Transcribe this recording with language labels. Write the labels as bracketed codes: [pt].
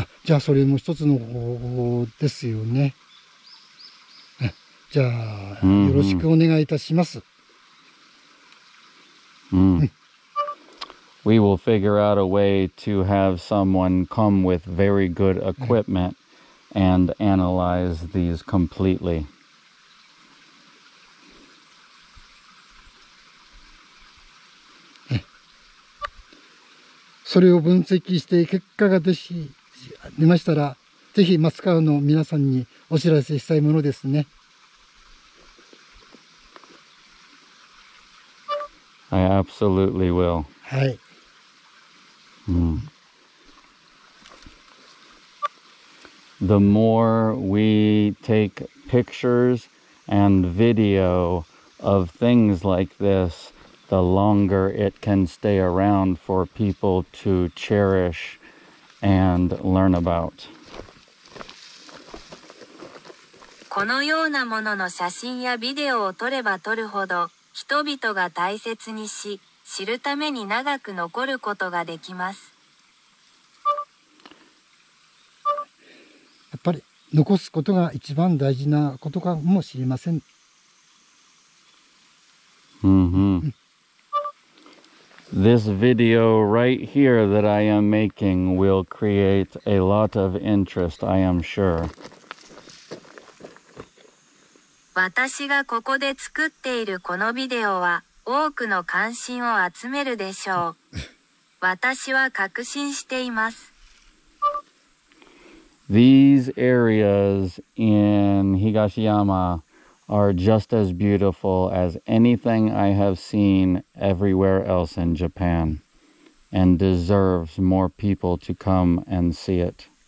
[ja] じゃあ、それも一つの方法ですよね。じゃあ、よろしくお願いいたします。 [en] We will figure out a way to have someone come with very good equipment and analyze these completely. [ja] それを分析して結果が出ましたら、ぜひマスカウの皆さんにお知らせしたいものですね。 [en] I absolutely will. [ja] はい。 [en] The more we take pictures and video of things like this, the longer it can stay around for people to cherish and learn about. [ja] このようなものの写真やビデオを撮れば撮るほど、人々が大切にし、知るために長く残ることができます。やっぱり残すことが一番大事なことかもしれません。 [en] This video right here that I am making will create a lot of interest, I am sure. [ja] 私がここで作っているこのビデオは多くの関心を集めるでしょう。私は確信しています。 [en] These areas in Higashiyama are just as beautiful as anything I have seen everywhere else in Japan and deserves more people to come and see it.